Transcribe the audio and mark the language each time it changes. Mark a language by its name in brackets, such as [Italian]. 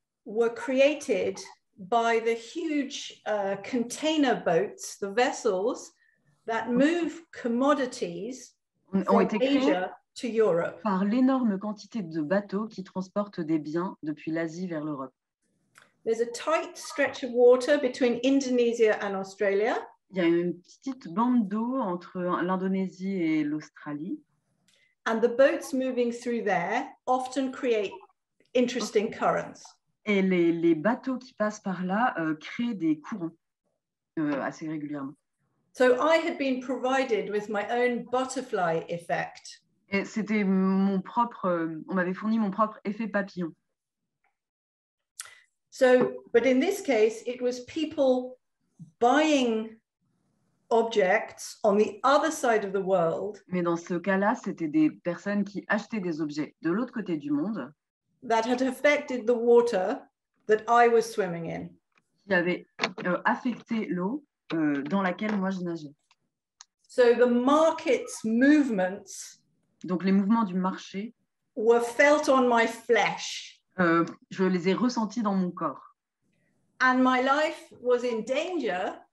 [English] were created by the huge container boats, the vessels that move commodities from Asia to Europe. [French] Par l'énorme quantité de bateaux qui transportent des biens depuis l'Asie vers l'Europe. [English] There's a tight stretch of water between Indonesia and Australia. [French] Il y a une petite bande d'eau entre l'Indonésie et l'Australie. [English] And the boats moving through there often create interesting currents. [French] Et les bateaux qui passent par là créent des courants assez régulièrement. [English] So I had been provided with my own butterfly effect. [French] Et c'était on m'avait fourni mon propre effet papillon. [English] So, but in this case, it was people buying objects on the other side of the world. [French] Mais dans ce cas-là, c'était des personnes qui achetaient des objets de l'autre côté du monde. [English] That had affected the water that I was swimming in. [French] Qui avait affecté l'eau dans laquelle moi je nageais. [English] So the market's movements. [French] Donc les mouvements du marché. [English] Were felt on my flesh. [French] Je les ai ressentis dans mon corps. [English] And my life was in danger.